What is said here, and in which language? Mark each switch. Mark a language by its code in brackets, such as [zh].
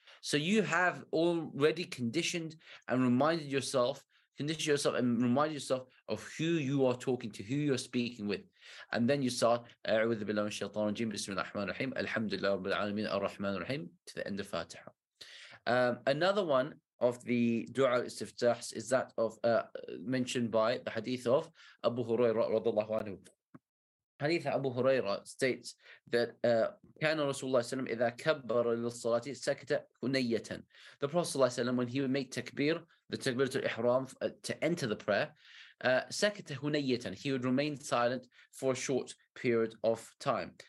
[en] So you have already conditioned yourself of who you are talking to, who you're speaking with. And then you start, [ar] أعوذ بالله من الشيطان الرجيم, بسم الله الرحمن الرحيم, الحمد لله رب العالمين, الرحمن الرحيم, [en] to the end of Fatiha. Another one of the dua istiftahs is that of mentioned by the hadith of Abu Hurairah radiallahu anhu. Hadith Abu Huraira states that [ar] كَانَ رَسُولُ اللَّهِ سَلَمْ إِذَا كَبَّرَ لِلصَّلَاتِ سَكَتَ كُنَيَّةً. [en] The Prophet ﷺ, when he would make takbir, the takbir to ihram, to enter the prayer, [ar] سَكَتَ هُنَيَّةً, [en] he would remain silent for a short period of time.